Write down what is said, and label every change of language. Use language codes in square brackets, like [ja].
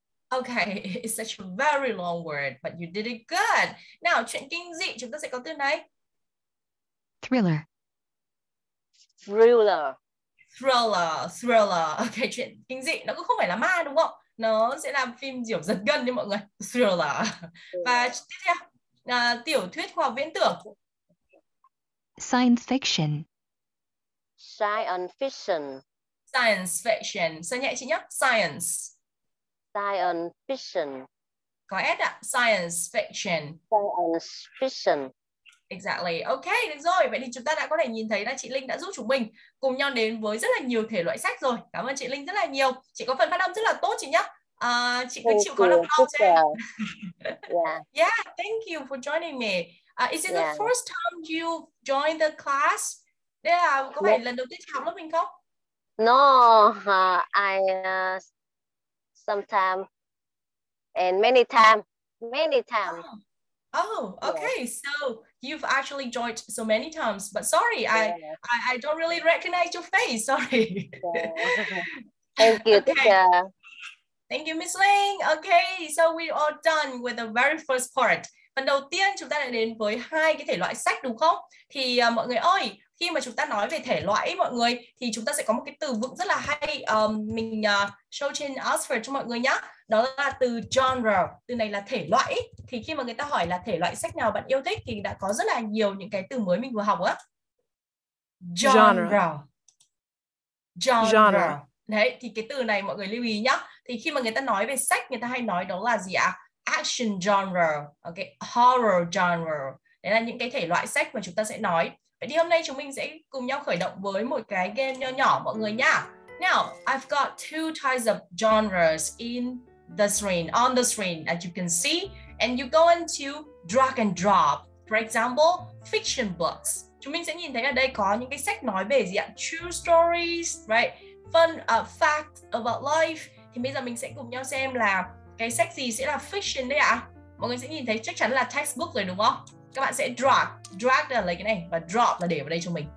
[en] Okay, it's such a very long word, but you did it good. [vi] Now, chuyện kinh dị, chúng ta sẽ có từ này. [en] Thriller. Thriller. Thriller, thriller. [vi] Okay, chuyện kinh dị, nó cũng không phải là ma đúng không? Nó sẽ là phim diều giật gân đấy mọi người. Thriller. Và tiếp theo, tiểu thuyết khoa học viễn tưởng. [en] Science fiction. Science fiction. Science fiction. [vi] Sao nhẹ chị nhé? Science. [en] Science fiction. [vi] Có S ạ. [en] Science fiction. Science fiction. Exactly. Ok, [vi] được rồi. Vậy thì chúng ta đã có thể nhìn thấy là chị Linh đã giúp chúng mình cùng nhau đến với rất là nhiều thể loại sách rồi. Cảm ơn chị Linh rất là nhiều. Chị có phần phát âm rất là tốt chị nhé. Chị cứ chịu khó đọc lâu cho em. [en] Yeah. Yeah, thank you for joining me. Is it the first time you joined the class? [vi] Đây là có phải lần đầu tiên học lớp mình không? [en] No, I sometimes and many times. Oh, okay. Yeah. So you've actually joined so many times, but sorry, I don't really recognize your face. Sorry. Yeah. Thank you, okay. Teacher. Thank you, Miss Ling. Okay, so we are done with the very first part. [vi] Phần đầu tiên chúng ta đã đến với hai cái thể loại sách đúng không? Thì mọi người ơi, khi mà chúng ta nói về thể loại ấy, mọi người thì chúng ta sẽ có một cái từ vựng rất là hay mình show trên Oxford cho mọi người nhá. Đó là từ genre, từ này là thể loại. Thì khi mà người ta hỏi là thể loại sách nào bạn yêu thích thì đã có rất là nhiều những cái từ mới mình vừa học á. Genre. Genre. Đấy, thì cái từ này mọi người lưu ý nhá. Thì khi mà người ta nói về sách, người ta hay nói đó là gì ạ? [en] Action genre, okay, horror genre. [vi] Đấy là những cái thể loại sách mà chúng ta sẽ nói. Vậy thì hôm nay chúng mình sẽ cùng nhau khởi động với một cái game nhỏ nhỏ mọi người nha. [en] Now, I've got two types of genres in the screen, on the screen, as you can see. And you go into drag and drop. For example, fiction books. [vi] Chúng mình sẽ nhìn thấy ở đây có những cái sách nói về gì ạ? [en] True stories, right? Fun facts about life. [vi] Thì bây giờ mình sẽ cùng nhau xem là cái sách gì sẽ là fiction đấy ạ? Mọi người sẽ nhìn thấy chắc chắn là textbook rồi đúng không? Các bạn sẽ drag là lấy cái này và drop là để vào đây cho mình.